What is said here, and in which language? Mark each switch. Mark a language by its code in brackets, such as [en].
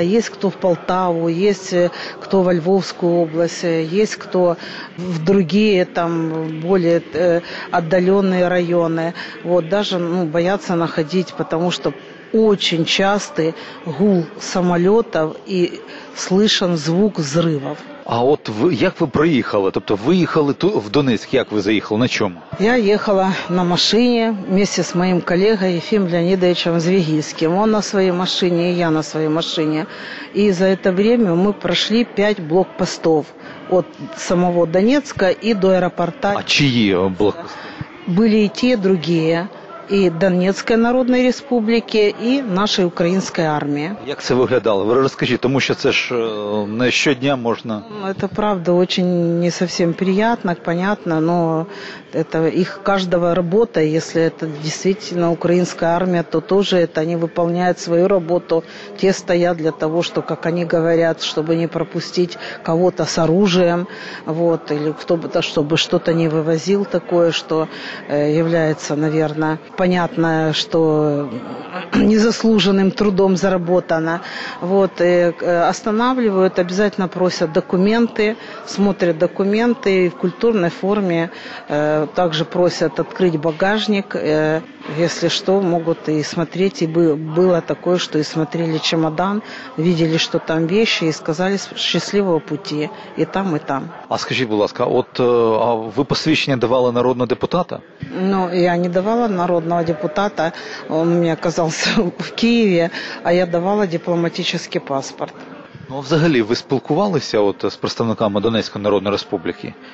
[ru] Есть кто в Полтаву, есть кто во Львовскую область, есть кто в другие там более отдаленные районы. Вот даже боятся находить, потому что очень частый гул самолетов и слышен звук взрывов. [uk] А от як ви приїхали? Тобто виїхали в Донецьк, як ви заїхали, на чому? Я їхала на машині вместе з моїм колегою Ефім Леонідовичем Звігільським. Він на своїй машині, і я на своїй машині. І за це время ми пройшли 5 блокпостів від самого Донецька і до аеропорту. А чиї блокпости? Були і ті, і другі. І Донецької Народної Республіки, і нашої української армії. Як це виглядало? Ви розкажіть, тому що це ж не щодня можна. Це правда, дуже не зовсім приємно, понятно, але це їх кожна робота, якщо це дійсно українська армія, то теж вони виконують свою роботу. Ті стоять для того, що, як вони говорять, щоб не пропустити [ru] кого-то з оружием, вот, или кто бы то, чтобы что-то не вывозил такое, что является, наверное, понятно, что незаслуженным трудом заработано. Вот, останавливают, обязательно просят документы, смотрят документы в культурной форме, также просят открыть багажник. Если что, могут и смотреть, и было такое, что и смотрели чемодан, видели, что там вещи, и сказали счастливого пути, и там, и там. А скажите, пожалуйста, а вы посвящение давали народного депутата? Ну, я не давала народного депутата, он у меня оказался в Киеве, а я давала дипломатический паспорт. [uk] Ну, а взагалі, ви спілкувалися от з представниками Донецької Народної Республіки?